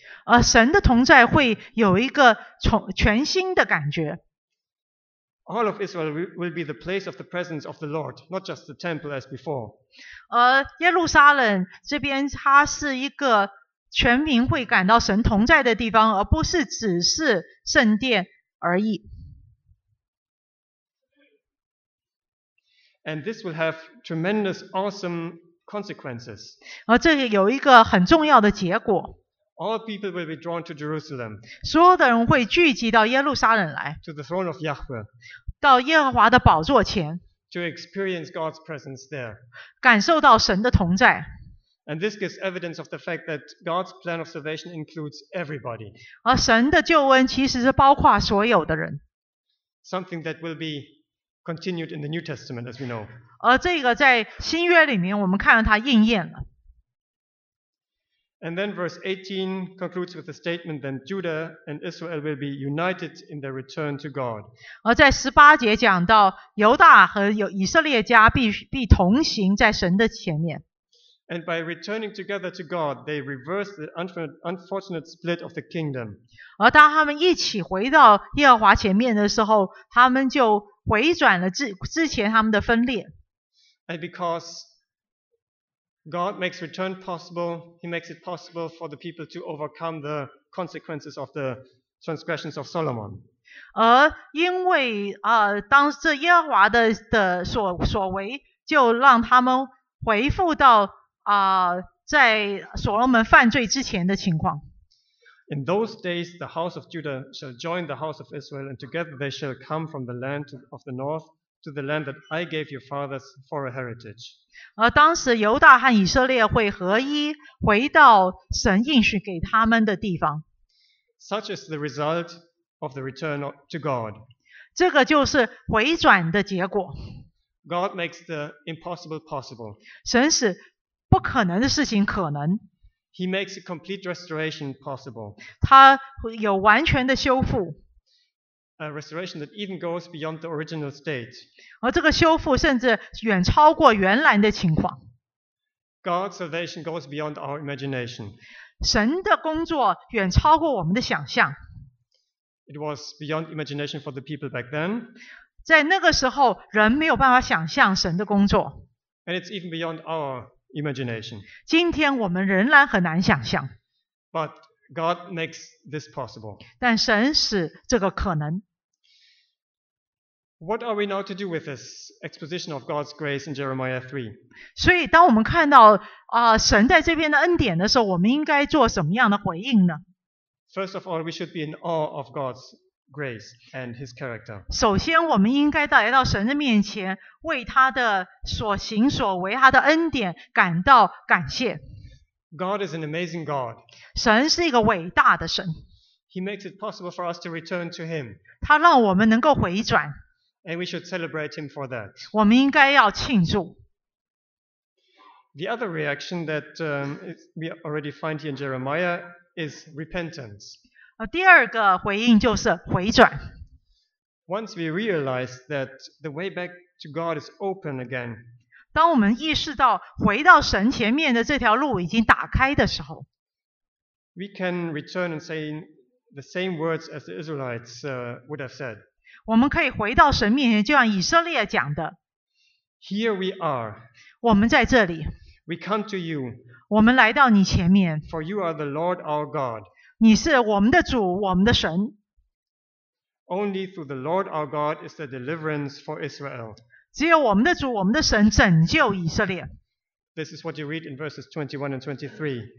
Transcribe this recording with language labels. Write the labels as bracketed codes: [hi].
[zh] 而神的同在会有一个全新的感觉。 [en] All of Israel will be the place of the presence of the Lord, not just the temple as before. [zh] 而耶路撒冷这边它是一个全民会感到神同在的地方，而不是只是圣殿而已。 [en] And this will have tremendous, awesome consequences. [zh] 而这有一个很重要的结果。 [en] All people will be drawn to Jerusalem. [zh] 所有的人会聚集到耶路撒冷来。 [en] To the throne of Yahweh. [zh] 到耶和华的宝座前。 [en] To experience God's presence there. [zh] 感受到神的同在。 [en] And this gives evidence of the fact that God's plan of salvation includes everybody. [zh] 而神的救恩其实是包括所有的人。 [en] Something that will be continued in the New Testament, as we know. [zh] 而这个在新约里面，我们看到它应验了。 [en] And then verse 18 concludes with the statement that Judah and Israel will be united in their return to God. [zh] 而在十八节讲到犹大和以色列家必同行在神的前面。 [en] And by returning together to God, they reverse the unfortunate split of the kingdom. [zh] 而当他们一起回到耶和华前面的时候，他们就回转了之前他们的分裂。 [en] And because God makes return possible, He makes it possible for the people to overcome the consequences of the transgressions of Solomon. [zh] 而因为当这耶和华的所为，就让他们回复到在所罗门犯罪之前的情况。 [en] In those days, the house of Judah shall join the house of Israel, and together they shall come from the land of the north to the land that I gave your fathers for a heritage. [zh] 而当时犹大和以色列会合一，回到神应许给他们的地方。 [en] Such is the result of the return to God. [zh] 这个就是回转的结果。 [en] God makes the impossible possible. [zh] 神使不可能的事情可能。 [en] He makes a complete restoration possible. [zh] 他有完全的修复。 [en] A restoration that even goes beyond the original state. [zh] 而这个修复甚至远超过原来的情况。 [en] God's salvation goes beyond our imagination. [zh] 神的工作远超过我们的想象。 [en] It was beyond imagination for the people back then. [zh] 在那个时候，人没有办法想象神的工作。 [en] And it's even beyond our imagination. [zh] 今天我们仍然很难想象。 [en] But God makes this possible. [zh] 但神使这个可能。 [en] What are we now to do with this exposition of God's grace in Jeremiah 3? [zh] 所以当我们看到神在这边的恩典的时候，我们应该做什么样的回应呢？ [en] First of all, we should be in awe of God's grace and his character. [zh] 首先我们应该来到神的面前，为他的所行所为，他的恩典感到感谢。 [en] God is an amazing God. [zh] 神是一个伟大的神。 [en] He makes it possible for us to return to him. [zh] 他让我们能够回转。 [en] And we should celebrate him for that. [zh] 我们应该要庆祝。 [en] The other reaction that we already find here in Jeremiah is repentance. [zh] 第二个回应就是回转。 [en] Once we realize that the way back to God is open again, [zh] 当我们意识到回到神前面的这条路已经打开的时候， [en] we can return and say the same words as the Israelites would have said. [zh] 我们可以回到神面前，就像以色列讲的。 [en] Here we are. [zh] 我们在这里。 [en] We come to you. [zh] 我们来到你前面。 [en] For you are the Lord our God. [zh] 你是我们的主，我们的神。 [en] Only through the Lord our God is the deliverance for Israel. [zh] 只有我们的主，我们的神拯救以色列。 [en] This is what you read in verses 21 and 23.